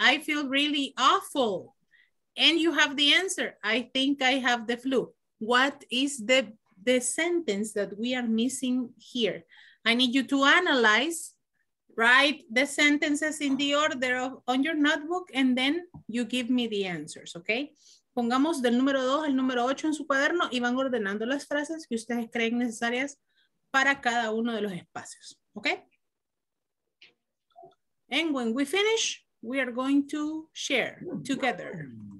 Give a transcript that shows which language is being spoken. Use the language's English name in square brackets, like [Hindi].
[English] I feel really awful. And you have the answer. I think I have the flu. What is the sentence that we are missing here? I need you to analyze, write the sentences in the order of, on your notebook, and then you give me the answers, okay? [Spanish] Pongamos del número 2 al número 8 en su cuaderno y van ordenando las frases que ustedes creen necesarias para cada uno de los espacios, okay? [English] And when we finish, we are going to share together.